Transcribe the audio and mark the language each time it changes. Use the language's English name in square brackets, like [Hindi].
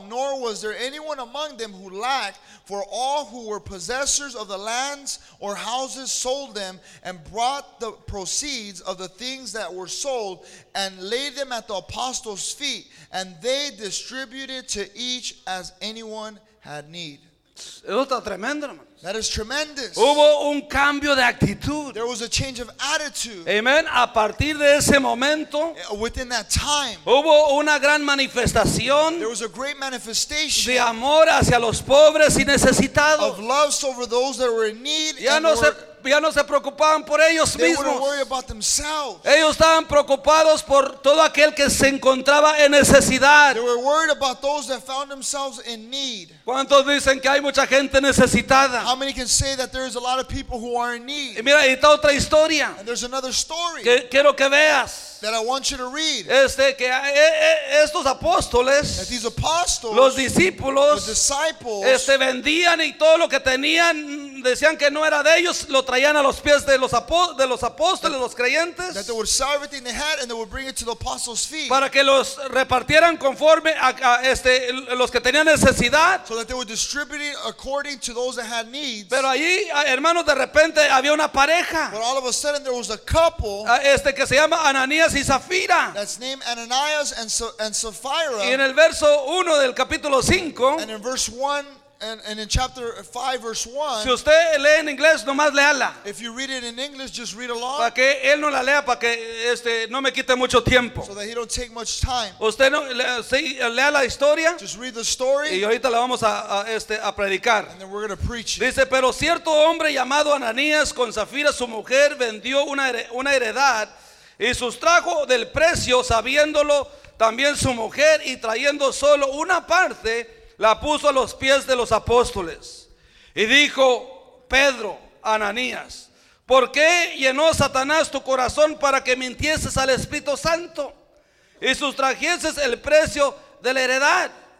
[English] Nor was there anyone among them who lacked, for all who were possessors of the lands or houses sold them and brought the proceeds of the things that were sold and laid them at the apostles' feet, and they distributed to each as anyone had need. [Spanish] Eso está tremendo, hermano. [English] That is tremendous. [Spanish] Hubo un cambio de actitud. [English] There was a change of attitude. [Spanish] Amen. A partir de ese momento, [English] within that time, [Spanish] hubo una gran manifestación. [English] There was a great manifestation [Spanish] de amor hacia los pobres y necesitados. [English] Of love over those that were in need. [Spanish] Ya no se preocupaban por ellos mismos. [English] They wouldn't worry about themselves. [Spanish] Ellos estaban preocupados por todo aquel que se encontraba en necesidad. [English] They were worried about those that found themselves in need. [Spanish] ¿Cuántos dicen que hay mucha gente necesitada? [English] How many can say that there is a lot of people who are in need? [Spanish] Y mira, está otra historia. [English] And there's another story [Spanish] que quiero que veas. [English] That I want you to read. [Spanish] Que estos apóstoles, [English] that these apostles, [Spanish] los discípulos, [English] the disciples, [Spanish] vendían y todo lo que tenían, decían que no era de ellos, lo traían a los pies de los apóstoles, los creyentes, [English] that they would sell everything they had and they would bring it to the apostles' feet, [Spanish] para que los repartieran conforme a los que tenían necesidad, [English] so that they would distribute it according to those that had needs. [Spanish] Pero allí, hermanos, de repente había una pareja, [English] but all of a sudden there was a couple, [Spanish] que se llama Ananías y Zafira, [English] that's named Ananias and Sapphira. [Spanish] Y en el verso 1 del capítulo 5, [English] and in verse 1, and in chapter 5 verse 1, [Spanish] si usted lee en inglés, nomás léala. [English] If you read it in English, just read along. [Spanish] Para que él no la lea, para que no me quite mucho tiempo. [English] So that he don't take much time. [Spanish] Usted no lea la historia. [English] Just read the story. [Spanish] Y ahorita la vamos a predicar. [English] And then we're going to preach. [Spanish] Dice, pero cierto hombre llamado Ananías con Zafira su mujer vendió una heredad y sustrajo del precio, sabiéndolo también su mujer, y trayendo solo una parte la puso a los pies de los apóstoles. Y dijo Pedro a Ananías, ¿por qué llenó Satanás tu corazón para que mintieses al Espíritu Santo y sustrajieses el precio de la heredad?